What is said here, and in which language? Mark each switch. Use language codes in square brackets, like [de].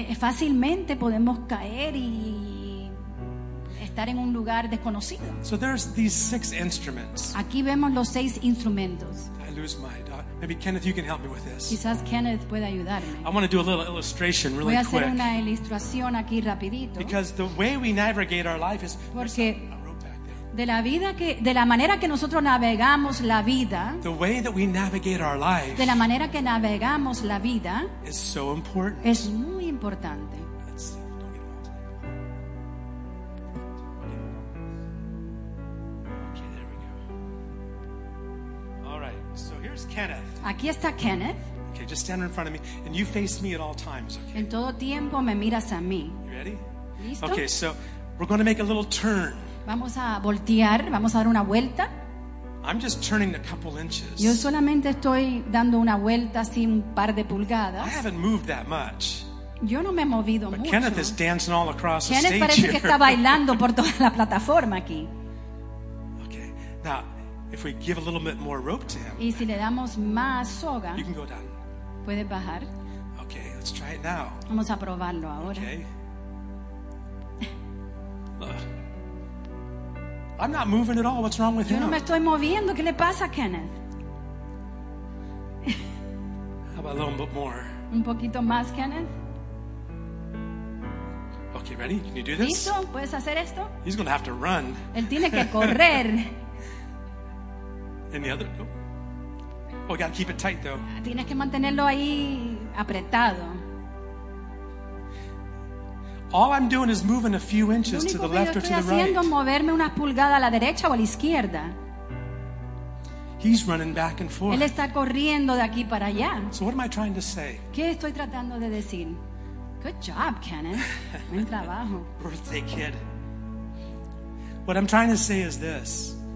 [es] Fácilmente podemos caer y estar en un lugar desconocido. [en] So there's these six instruments. [es] Aquí vemos los seis instrumentos. [en] I lose my dog. Maybe Kenneth, you can help me with this. [es] Quizás Kenneth pueda ayudarme. [en] I want to do a little illustration really quick. [es] Voy a hacer [en] quick. [es] Una ilustración aquí rapidito. [en] Because the way we navigate our life is. [es] Porque de la manera que nosotros navegamos la vida, [en] the way that we navigate our life, [es] de la manera que navegamos la vida, [en] is so important. [es] Es muy importante. [en] Okay, there we go. All right, so here's Kenneth. [es] Aquí está Kenneth. [en] Okay, just stand in front of me, and you face me at all times. Okay. [es] En todo tiempo me miras a mí. [en] You ready? [es] Listo. [en] Okay, so we're going to make a little turn. [es] Vamos a voltear, vamos a dar una vuelta. [en] I'm just turning a couple inches. [es] Yo solamente estoy dando una vuelta así un par de pulgadas. [en] I haven't moved that much. [es] Yo no me he movido [en] But [es] mucho. [en] Kenneth is dancing all across [es] Kenneth [en] the stage [es] parece [en] here. [es] Que está bailando por toda la plataforma aquí. [en] Okay. Now, if we give a little bit more rope to him. [es] Y si le damos más soga. [en] You can go down. [es] Puedes bajar. [en] Okay, let's try it now. [es] Vamos a probarlo ahora. [en] Okay. I'm not moving at all. What's wrong with [es] yo [en] him? [es] Yo no me estoy moviendo. ¿Qué le pasa, Kenneth? [en] How about a little bit more? [es] Un poquito más, Kenneth. [en] Okay, ready? Can you do this? [es] ¿Listo? ¿Puedes hacer esto? [en] He's going to have to run. [es] Él tiene que correr. [en] And the other? Oh, we got to keep it tight, though. [es] Tienes que mantenerlo ahí apretado. [en] All I'm doing is moving a few inches to the left or to the right. [es] Estoy haciendo moverme unas pulgadas a la derecha o a la izquierda. [en] He's running back and forth. [es] Él está corriendo de aquí para allá. [en] So what am I trying to say? [es] ¿Qué estoy tratando de decir? [en] Good job, Kenneth. [es] Buen trabajo. [en] Birthday kid. What I'm trying to say is this.